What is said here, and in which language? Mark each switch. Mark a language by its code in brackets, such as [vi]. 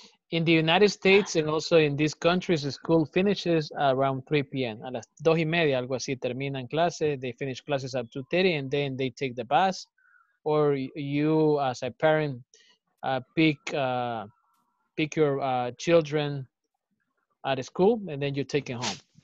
[en] In the United States and also in these countries, the school finishes around 3 p.m. [es] A las 2 y media, algo así, terminan clase. [en] They finish classes at 2:30 and then they take the bus. Or you, as a parent, pick your children at school and then you take them home.